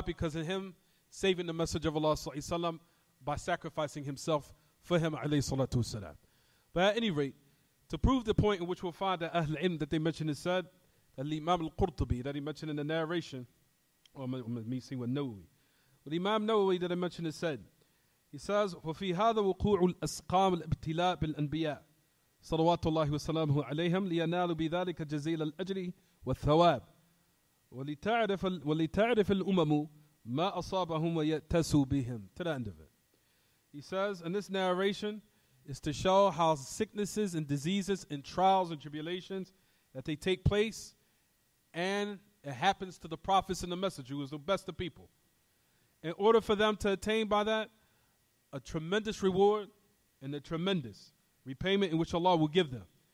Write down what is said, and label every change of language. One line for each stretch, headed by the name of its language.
English: Because of him saving the Messenger of Allah sallallahu alaihi wasallam by sacrificing himself for him alayhi salatu wasalam. But at any rate, to prove the point in which we'll find that Ahl al-Ilm that they mentioned and said, Al-Imam al-Qurtubi, that he mentioned in the narration, or me seeing with Nawawi. The Imam Nawawi that I mentioned has said, he says,
Arabic: وَفِي هَذَا وُقُوعُ الْأَسْقَامِ الْأَبْتِلَاءِ بِالْأَنْبِيَاءِ صَلَوَاتُ اللَّهِ وَسَلَامُهُ عَلَيْهِمْ لِيَنَالُ بِذَلِكَ جَزِيلَ الْأَجْرِ وَالثَّوَابِ وَلِتَعْرِفَ الْأُمَمُ مَا أَصَابَهُمْ وَيَتَسُوا بِهِمْ.
English: To the end of it. He says, and this narration is to show how sicknesses and diseases and trials and tribulations that they take place, and it happens to the prophets and the messenger, who is the best of people. In order for them to attain by that, a tremendous reward and a tremendous repayment in which Allah will give them.